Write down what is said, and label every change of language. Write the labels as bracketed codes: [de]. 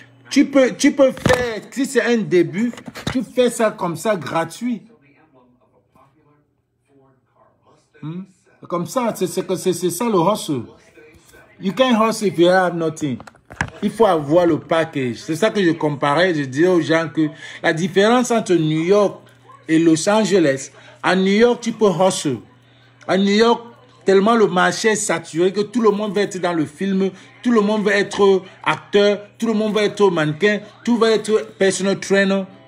[fr] Tu peux faire, si c'est un début, tu fais ça comme ça, gratuit. Comme ça, c'est ça le hustle. [en] You can hustle if you have nothing. [fr] Il faut avoir le package. C'est ça que je comparais, je disais aux gens que la différence entre New York et Los Angeles, à New York, tu peux hustle. À New York, tellement le marché est saturé que tout le monde veut être dans le film, tout le monde veut être acteur, tout le monde veut être mannequin, tout veut être personal trainer.